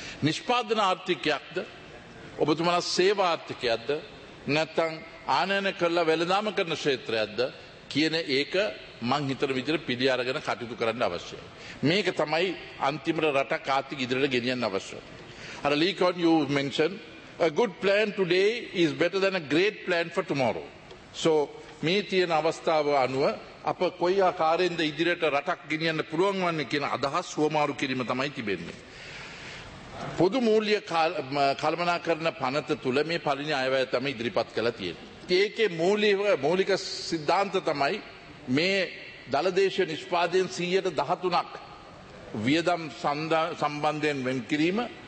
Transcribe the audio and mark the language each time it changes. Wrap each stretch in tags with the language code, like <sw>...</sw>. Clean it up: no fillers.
<si>නිෂ්පාදන ආර්ථිකයක්ද, ඔබතුමාලා සේවා ආර්ථිකයක්ද, නැත්නම් ආනයන කළ වෙළඳාම කරන ක්ෂේත්‍රයක්ද කියන එක මං හිතන විදිහට පිළි අරගෙන කටයුතු කරන්න අවශ්‍යයි. මේක තමයි අන්තිමට රටක් ආර්ථික ඉදිරියට ගෙනියන්න අවශ්‍ය.</si> <en>අර Lee Kuan Yew mention A good plan today is better than a great plan for tomorrow.</en> <si>So, මේ තියෙන අවස්ථාව අනුව අප කොයි ආකාරයෙන්ද ඉදිරියට රටක් ගෙනියන්න පුළුවන් වන්නේ කියන අදහස් හුවමාරු කිරීම තමයි තිබෙන්නේ. පොදු මූල්‍ය කළමනාකරණ පනත තුළ මේ පරිණි අයවැය තමයි ඉදිරිපත් කළ තියෙන්නේ. ඒකේ මූලික සිද්ධාන්ත තමයි මේ දළදේශ නිෂ්පාදයෙන් 13% වියදම් සම්බන්ධයෙන් වෙන් කිරීම.</si>